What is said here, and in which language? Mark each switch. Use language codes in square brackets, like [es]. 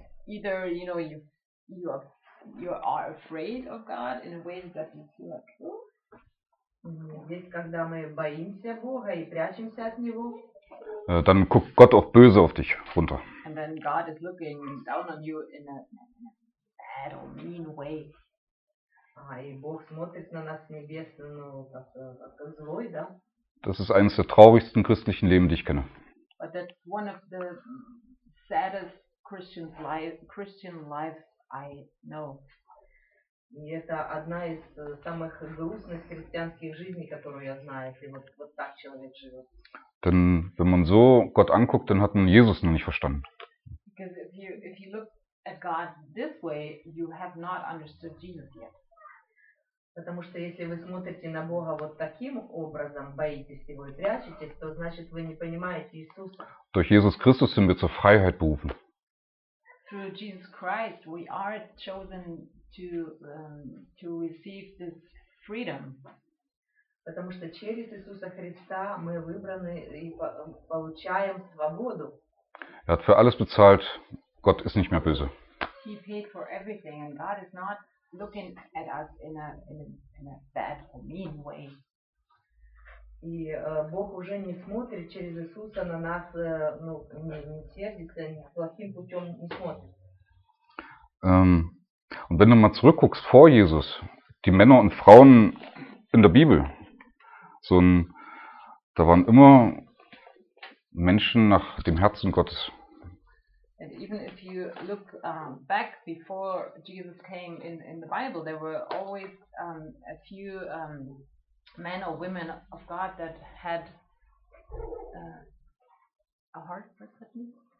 [en] Either you know you are afraid of God in a way that you feel like [ru] Здесь, когда мы боимся Бога и прячемся от Него, [de] dann guckt Gott auch böse auf dich runter. [en] And then God is looking down on you in a bad or mean way. [ru] И Бог смотрит на нас небес, ну, как злой, да? [de] Das ist eines der traurigsten christlichen Leben, die ich kenne. [en] But that's one of the saddest Christian lives I know. [ru] И это одна из самых грустных христианских жизней, которую я знаю, если вот так человек живет. [de] Denn wenn man so Gott anguckt, dann hat man Jesus noch nicht verstanden. [en] Because if you look at God this way, you have not understood Jesus yet. [ru] Потому что если вы смотрите на Бога вот таким образом, боитесь его и прячетесь, то значит вы не понимаете Иисуса. [de] Durch Jesus Christus sind wir zur Freiheit berufen. [en] Through Jesus Christ we are chosen to receive this freedom. [ru] Потому что через Иисуса Христа мы выбраны и получаем свободу. [de] Er hat für alles bezahlt. Gott ist nicht mehr böse. [en] He paid for everything and God is not looking at us in a bad or mean way. [ru] И Бог уже не смотрит через Иисуса на нас, ну, не сердится, не плохим путем не смотрит. [de] Und wenn du mal zurückguckst vor Jesus, die Männer und Frauen in der Bibel, so ein, da waren immer Menschen nach dem Herzen Gottes. [en] And even if you look back before Jesus came in the Bible, there were always a few men or women of God that had a heart, what's that mean?